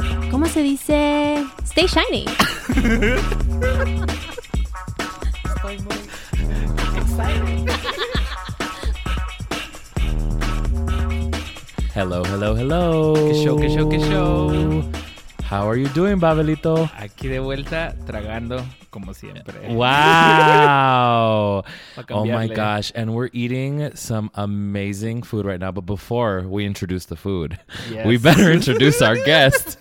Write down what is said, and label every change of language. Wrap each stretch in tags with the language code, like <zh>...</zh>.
<es>¿Cómo se dice?</es> <en>Stay shiny. Hello, hello, hello.</en> <es>Que show, que show, que show.</es> <en>How are you doing, Pavelito?</en> <es>Aquí de vuelta, tragando como siempre.</es> <en>Wow. Oh my gosh. And we're eating some amazing food right now. But before we introduce the food, yes, we better introduce our guest.</en>